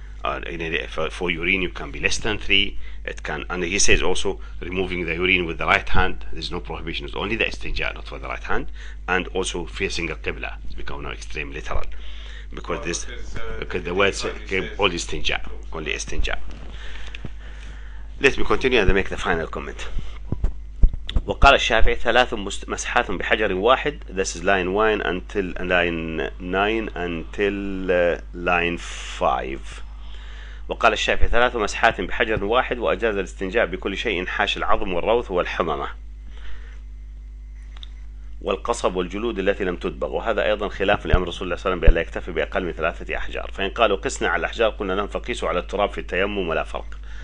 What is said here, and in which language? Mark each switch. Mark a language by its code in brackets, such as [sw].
[en] For urine, you can be less than 3. It can, and he says also removing the urine with the right hand. There's no prohibition. It's only the istinja, not for the right hand. And also facing a qibla. It's become now extreme literal, because the words came only istinja, only istinja. Let me continue and make the final comment. [ar] وقال الشافعي ثلاث مسحات بحجر واحد. [en] This is line 1 until line 9 until line 5. [ar] وقال الشافعي ثلاث مسحات بحجر واحد وأجاز الاستنجاء بكل شيء حاش العظم والروث والحممة والقصب والجلود التي لم تدبغ. وهذا أيضا خلاف لأمر رسول الله صلى الله عليه وسلم بأن لا يكتفي بأقل من ثلاثة أحجار. فإن قالوا قسنا على الأحجار قلنا لهم فقيسوا على التراب في التيمم ولا فرق.